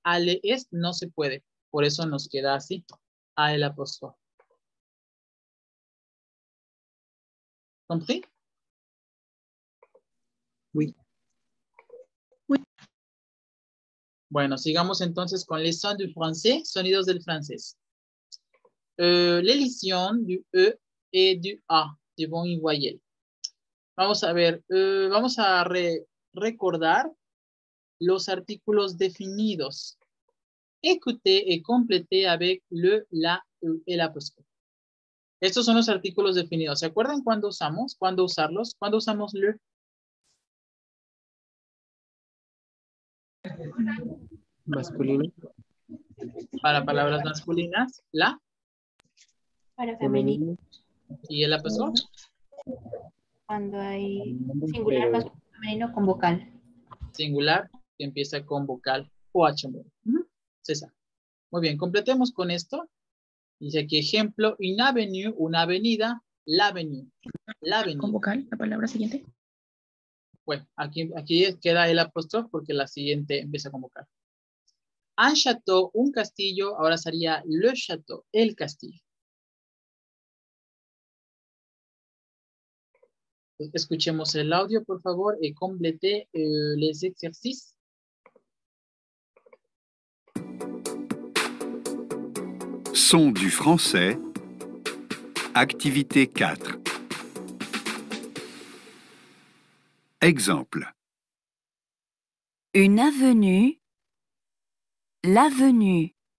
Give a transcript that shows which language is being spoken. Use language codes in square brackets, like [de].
[es] Al este no se puede. Por eso nos queda así. A el apóstrofe. [fr] ¿Compris? Oui. Oui. [es] Bueno, sigamos entonces con [fr] les sons du français, [es] sonidos del francés. [fr] L'élision du E et du A, du bon y voyel. [es] Vamos a ver, vamos a recordar los artículos definidos. [fr] Écoutez et complétez avec le, la, el apóstrofe. [es] Estos son los artículos definidos. ¿Se acuerdan cuándo usamos? ¿Cuándo usarlos? ¿Cuándo usamos le? Masculino. Para palabras masculinas, la. Para femenino. ¿Y el apóstrofe? Cuando hay singular femenino con vocal. Singular, que empieza con vocal o H. César. Muy bien, completemos con esto. Dice aquí, ejemplo, [fr] une avenue, [es] una avenida, [fr] l'avenue. L'avenue. [es] Con vocal, la palabra siguiente. Bueno, aquí queda el apóstrofe porque la siguiente empieza con vocal. Un château, un castillo, ahora sería le château, el castillo. Escuchemos el audio, por favor, y complete [fr] les exercices. Son du français, activité 4. Exemple. Une avenue, l'avenue.